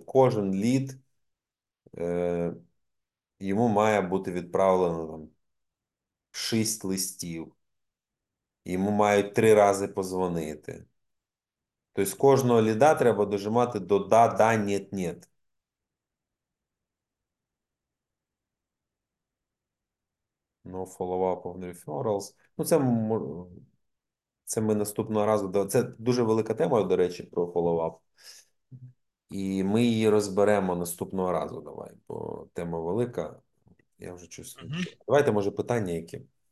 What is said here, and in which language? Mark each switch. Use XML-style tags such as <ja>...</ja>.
<uk>Кожен лід йому має бути відправлено там 6 листів. Йому мають 3 рази позвонити. Тобто кожного ліда треба дожимати до да, ніт, ніт.</uk> <en>No follow-up of referrals.</en> <uk>Ну, це ми наступного разу. Це дуже велика тема, до речі, про follow-up. І ми її розберемо наступного разу. Давай, бо тема велика. Я вже чую. Давайте, може, питання які.</uk>